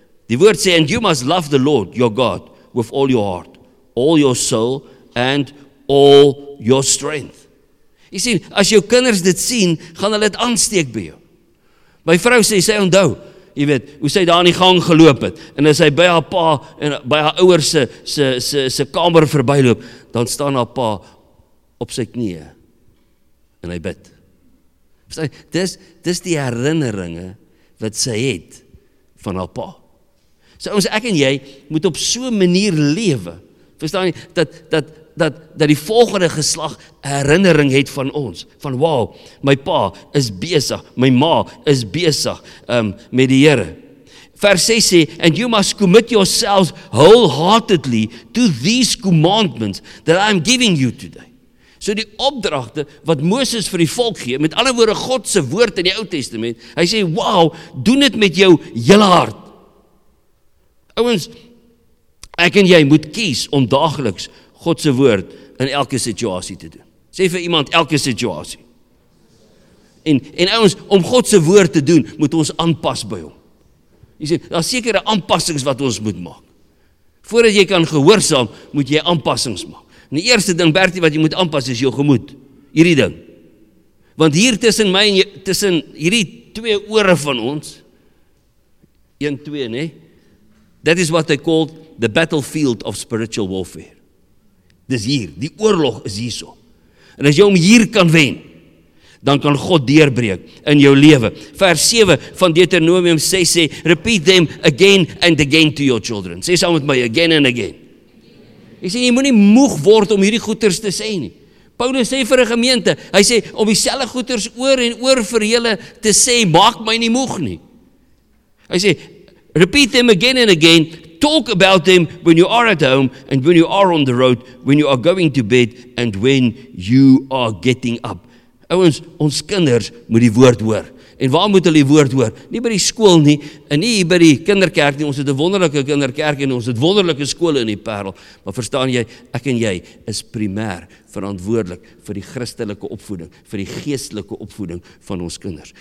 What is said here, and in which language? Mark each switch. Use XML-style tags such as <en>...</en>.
<af>Die woord sê,</af> <en>and you must love the Lord your God with all your heart, all your soul and all your strength.</en> <af>Jy sien, as jou kinders dit sien, gaan hulle dit aansteek by jou. My vrou sê, sy onthou, jy weet, hoe sy daar in die gang geloop het, en as sy by haar pa, en by haar ouers se kamer verbyloop, dan staan haar pa op sy knieë, en hy bid. Dis die herinneringe, wat sy het, van haar pa. So ons, ek en jy, moet op so 'n manier lewe, verstaan jy, dat die volgende geslag herinnering het van ons, van wow, my pa is besig, my ma is besig met die Here. Vers 6 sê,</af> <en>and you must commit yourselves wholeheartedly to these commandments that I am giving you today.</en> <af>So die opdragte wat Moses vir die volk gee, met alle woorde God se woord in die Ou Testament, hy sê, wow, doen dit met jou hele hart. Ouens, ek en jy moet kies om daagliks God se woord in elke situasie te doen. Sê vir iemand, elke situasie. En ouens, om God se woord te doen, moet ons aanpas by hom. Jy sê, daar is sekere aanpassings wat ons moet maak. Voordat jy kan gehoorsaam, moet jy aanpassings maak. En die eerste ding, Bertie, wat jy moet aanpas, is jou gemoed. Hierdie ding. Want hier tussen my en jy, tussen hierdie twee ore van ons, 1-2, nee,</af> <en>that is what they call the battlefield of spiritual warfare.</en> <af>Dis hier, die oorlog is hierso. En as jy hom hier kan wen, dan kan God deurbreek in jou lewe. Vers 7 van Deuteronomium 6 sê,</af> <en>repeat them again and again to your children.</en> <af>Sê saam met my,</af> <en>again and again.</en> <af>Hy sê, jy moet nie moeg word om hierdie goeders te sê nie. Paulus sê vir die gemeente, hy sê, om die selle goeders oor en oor vir julle te sê, maak my nie moeg nie. Hy sê,</af> <en>repeat them again and again, talk about them when you are at home and when you are on the road, when you are going to bed and when you are getting up.</en> <af>Ouens, ons kinders moet die woord hoor. En waar moet hulle die woord hoor? Nie by die skool nie, en nie by die kinderkerk nie. Ons het 'n wonderlike kinderkerk en ons het wonderlike skole in die Parel. Maar verstaan jy, ek en jy is primêr verantwoordelik vir die Christelike opvoeding, vir die geestelike opvoeding van ons kinders.</af>